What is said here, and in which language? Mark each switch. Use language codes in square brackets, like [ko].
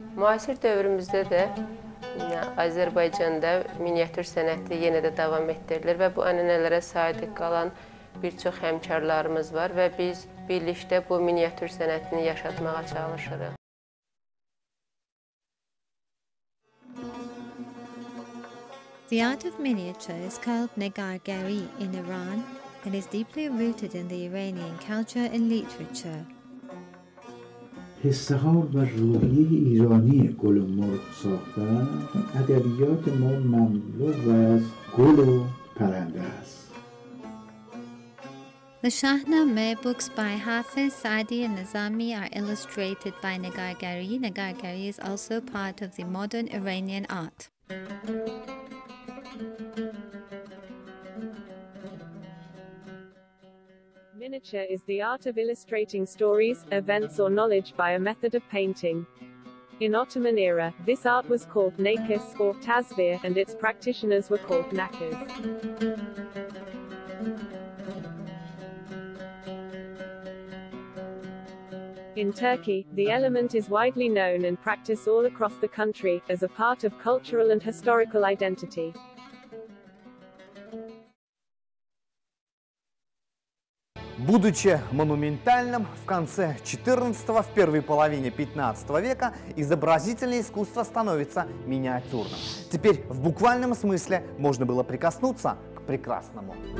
[az] Müasir dövrümüzdə də Azərbaycanda miniatür sənəti yenə də davam etdirilir və bu ənənələrə sadiq qalan bir çox həmkarlarımız var və biz birlikdə bu miniatür sənətini yaşatmağa çalışırıq. [en] The art of miniature is called Negargeri in Iran and is deeply rooted in the Iranian culture and literature. [fa] حسها و روحیه ایرانی گل و مرغ ساختن ادبیات ما مملو از گل و پرنده است. [en] The Shahnameh books by Hafiz, Saadi and Nizami are illustrated by Negargeri. Negargeri is also part of the modern Iranian art. Miniature is the art of illustrating stories, events or knowledge by a method of painting. In Ottoman era, this art was called nakis or tasvir and its practitioners were called nakis. In Turkey, the element is widely known and practiced all across the country as a part of cultural and historical identity. [ru] Будучи монументальным, в конце XIV, в первой половине XV века изобразительное искусство становится миниатюрным. Теперь в буквальном смысле можно было прикоснуться к прекрасному.